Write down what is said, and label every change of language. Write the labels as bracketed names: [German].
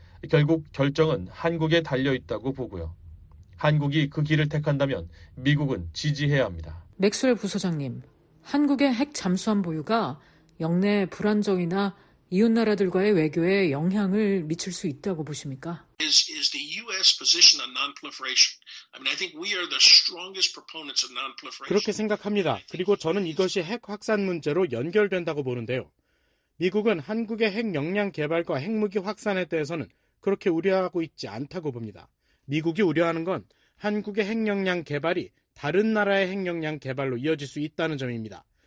[Korean] 결국 결정은 한국에 달려있다고 보고요. 한국이 그 길을 택한다면 미국은 지지해야 합니다. 맥스웰 부소장님, 한국의 핵 잠수함 보유가 영내 불안정이나 이웃나라들과의 외교에 영향을 미칠 수 있다고 보십니까? [English] Is the U.S. position on non-proliferation? I mean, I think we are the strongest proponents of non-proliferation. [Korean] 그렇게 생각합니다. 그리고 저는 이것이 핵 확산 문제로 연결된다고 보는데요. 미국은 한국의 핵 역량 개발과 핵무기 확산에 대해서는 그렇게 우려하고 있지 않다고 봅니다. 미국이 우려하는 건 한국의 핵 역량 개발이 다른 나라의 핵 역량 개발로 이어질 수 있다는 점입니다.